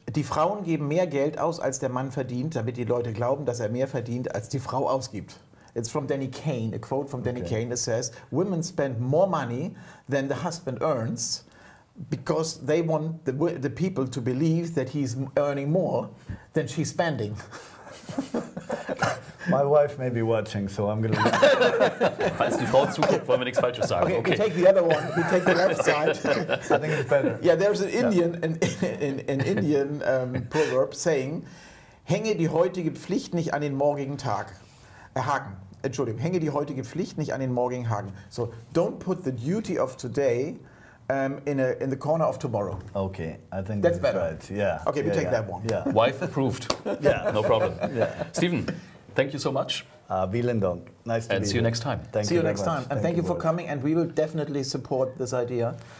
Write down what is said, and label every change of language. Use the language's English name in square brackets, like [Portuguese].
[German] Die Frauen geben mehr Geld aus, als der Mann verdient, damit die Leute glauben, dass mehr verdient, als die Frau ausgibt. [English] It's from Danny Kane, a quote from Danny Kane that says, women spend more money than the husband earns because they want the people to believe that he's earning more than she's spending. My wife may be watching, so I'm going to... [German] Falls die Frau zuguckt, wollen wir nichts Falsches sagen. [English] Okay, we take the other one. We take the left side. I think it's better. Yeah, there's an Indian, an Indian proverb saying, [German] hänge die heutige Pflicht nicht an den morgigen Tag. Haken. Entschuldigung. Hänge die heutige Pflicht nicht an den morgigen Haken. [English] So, don't put the duty of today in the corner of tomorrow. Okay, I think that's better. Right. Yeah. Okay, yeah, we take that one. Yeah. Wife approved. Yeah. No problem. Yeah. Stephen. Thank you so much. [German] Vielen Dank. [English] Nice to And see you next time. Thank see you next much. Time. And thank you for coming. And we will definitely support this idea.